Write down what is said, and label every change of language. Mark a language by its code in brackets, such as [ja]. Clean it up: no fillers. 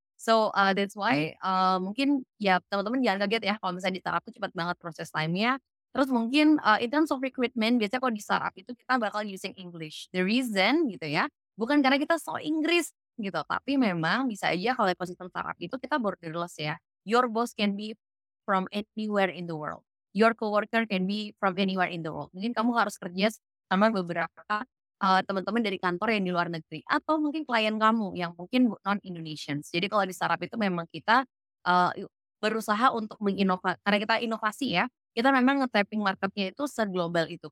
[en] So that's why [id] mungkin ya teman-teman jangan kaget ya kalau misalnya di startup tuh cepat banget proses timenya. Terus mungkin [en] in terms of recruitment, [id] biasanya kalau di startup itu kita bakal [en] using English. The reason [id] gitu ya, bukan karena kita so Inggris gitu, tapi memang bisa aja kalau ekosistem startup itu kita borderless ya. [en] Your boss can be from anywhere in the world. Your coworker can be from anywhere in the world. [id] Mungkin kamu harus kerja sama beberapa teman-teman dari kantor yang di luar negeri, atau mungkin klien kamu yang mungkin non-Indonesian. Jadi kalau di startup itu memang kita berusaha untuk menginovasi, karena kita inovasi ya, kita memang nge-tapping marketnya itu se-global itu.